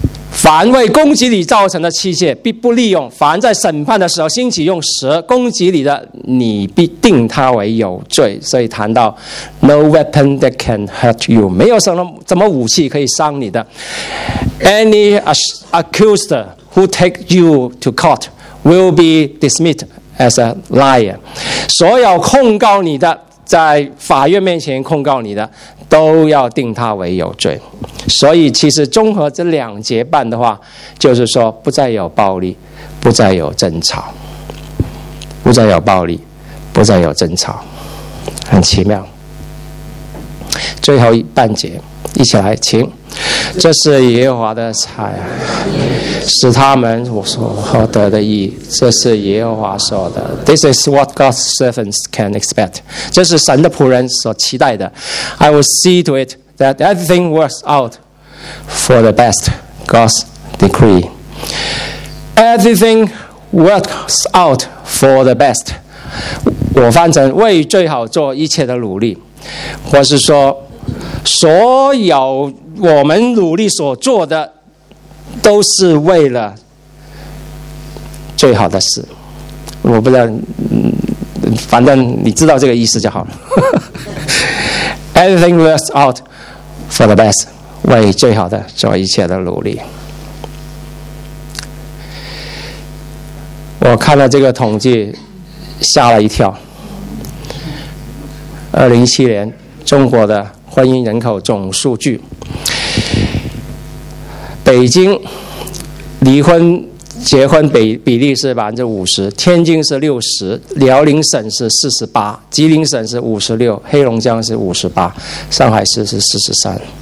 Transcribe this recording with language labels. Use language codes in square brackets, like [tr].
[zh] 凡为攻击你造成的器械必不利用，凡在审判的时候兴起用舌攻击你的，你必定他为有罪。所以谈到 [en] No weapon that can hurt you， [zh] 没有什么怎么武器可以伤你的。 [en] Any accused who take you to court will be dismissed as a liar， [zh] 所有控告你的，在法院面前控告你的，都要定他为有罪。所以其实综合这两节半的话，就是说不再有暴力，不再有争吵，不再有暴力，不再有争吵，很奇妙。最后一半节一起来，请。这是耶和华的财，是他们所获得的义，这是耶和华说的。 [en] This is what God's servants can expect， [zh] 这是神的仆人所期待的。 [en] I will see to it that everything works out for the best， God's decree。 Everything works out for the best， [zh] 我翻成为最好做一切的努力，或是说所有我们努力所做的都是为了最好的事。我不知道，反正你知道这个意思就好了。 [en] Everything works out for the best， [zh] 为最好的做一切的努力。我看了这个统计吓了一跳，2017年中国的婚姻人口总数据，北京离婚结婚比例是50%，天津是60%，辽宁省是48%，吉林省是56%，黑龙江是58%，上海市是43%。